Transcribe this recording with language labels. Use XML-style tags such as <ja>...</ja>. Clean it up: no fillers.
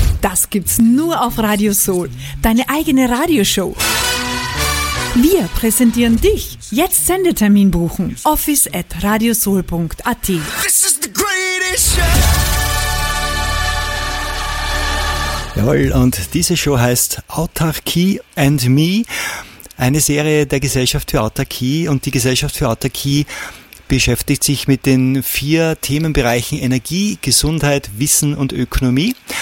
<de>Das gibt's nur auf Radio Soul. Deine eigene Radioshow. Wir präsentieren dich. Jetzt Sendetermin buchen. office@radiosoul.at.</de> <en>This is the greatest show.</en> <de>Jawohl, und diese Show heißt Autarkie and Me. Eine Serie der Gesellschaft für Autarkie. Und die Gesellschaft für Autarkie beschäftigt sich mit den vier Themenbereichen Energie, Gesundheit, Wissen und Ökonomie.</de>